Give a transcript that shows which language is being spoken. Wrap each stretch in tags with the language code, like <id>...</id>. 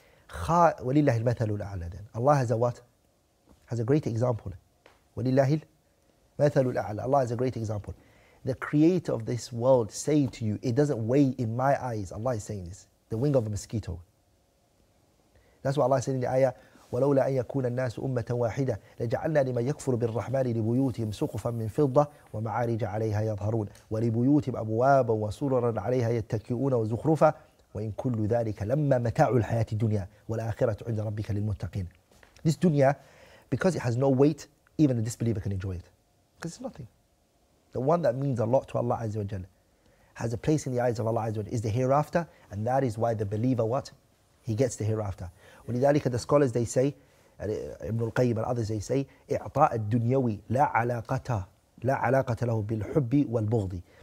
<ar>وَلِلَّهِ الْمَثَلُ الْأَعْلَى.</ar> <en>Allah has a what? Has a great example.</en> <ar>وَلِلَّهِ الْمَثَلُ الْأَعْلَى.</ar> <en>Allah has a great example. The creator of this world saying to you, it doesn't weigh in my eyes, Allah is saying this, the wing of a mosquito. That's what Allah said in the ayah,</en> <ar>ولولا أن يكون الناس أمة واحدة لجعلنا لمن يكفر بالرحمن لبيوتهم سقفا من فضة ومعارج عليها يظهرون ولبيوتهم أبوابا وسررا عليها يتكئون وزخرفا وإن كل ذلك لما متاع الحياة الدنيا والآخرة عند ربك للمتقين.</ar> <en>This dunya, because it has no weight, even a disbeliever can enjoy it. Because it's nothing. The one that means a lot to Allah Azza wa Jalla, has a place in the eyes of Allah Azza wa Jalla, is the hereafter, and that is why the believer, what? He gets the hereafter.</en> <ar>ولذلك</ar> <en>the scholars, they say, Ibn al-Qayyim and others, they say,</en> <ar>إعطاء الدنيوي لا علاقة له بالحب والبغض.</ar>